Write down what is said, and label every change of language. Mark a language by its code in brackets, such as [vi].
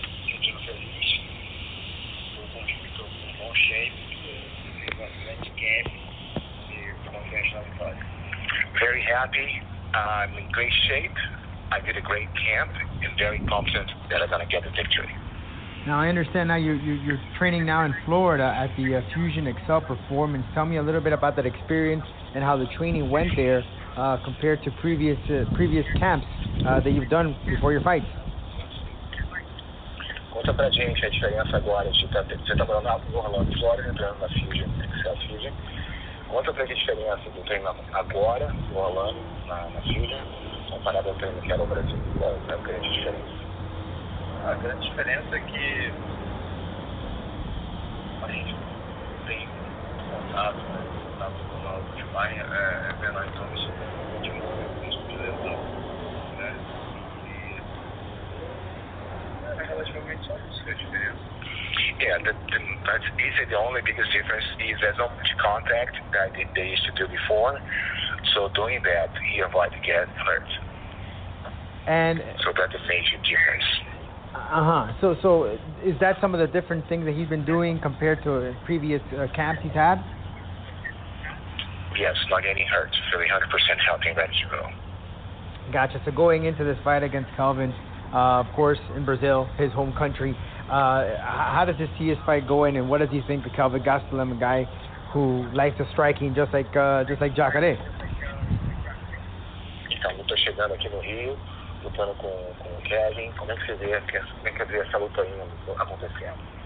[pt] Sentindo feliz, com um bom shape, com bastante gap e confiança na vitória. [en] Very happy, I'm in great shape. I did a great camp and very confident that I'm going to get the victory. Now, I understand now you're training now in Florida at the Fusion Excel Performance. Tell me a little bit about that experience and how the training went there compared to previous camps that you've done before your fight. [pt] Conta pra gente a diferença agora de você tá morando em Orlando, Florida, entrando na Fusion Excel Fusion. Conta pra gente a diferença do treino agora, no Orlando, na Fusion, não foi nada treino que era o Brasil, qual é a grande diferença? A grande diferença é que a gente tem contato, né? Contato com o nosso pai, é pena então isso de novo, isso de lesão, né? E é relativamente só isso que é a diferença. [en] Yeah, that's the only biggest difference is there's not much contact that they used to do before. So doing that, he avoid get hurt. And so that's a major difference. Uh-huh. So is that some of the different things that he's been doing compared to previous camps he's had? Yes, not getting hurt. Really 100% healthy, ready to go. Gotcha. So going into this fight against Calvin, of course, in Brazil, his home country, how does he see his fight going, and what does he think of Calvin Gastelum, a guy who likes to strike him just like Jacare? [pt] Então, eu tô chegando aqui no Rio, lutando com o Kevin. Como é que você vê essa luta aí acontecendo?